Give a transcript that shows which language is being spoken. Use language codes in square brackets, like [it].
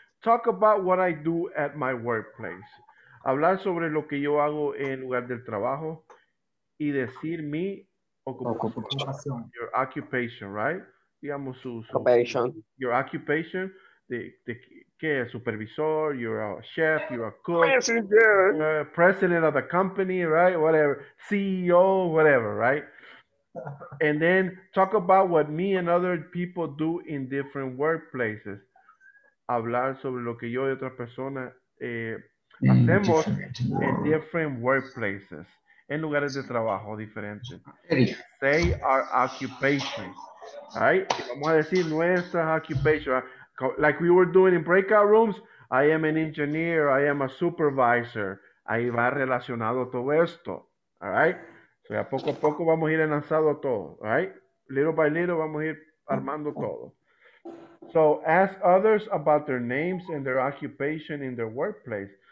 [en] Talk about what I do at my workplace. [es] Hablar sobre lo que yo hago en lugar del trabajo y decir mi ocupación. [en] Your occupation, right? [es] Digamos su [en] occupation. Your occupation, [es] de que es supervisor, [en] you're a chef, you're a cook, messenger, president of the company, right? Whatever, CEO, whatever, right? And then talk about what me and other people do in different workplaces. [es] Hablar sobre lo que yo y otra persona hacemos en [en] different workplaces. [es] En lugares de trabajo diferentes. [en] Say our occupation. All right? [es] Vamos a decir nuestra [en] occupation. Like we were doing in breakout rooms, I am an engineer, I am a supervisor. [es] Ahí va relacionado todo esto. [en] All right? [es] So, a poco a poco vamos a ir lanzando todo. All right? [en] Little by little, [es] vamos a ir armando todo. [en] So, ask others about their names and their occupation in their workplace.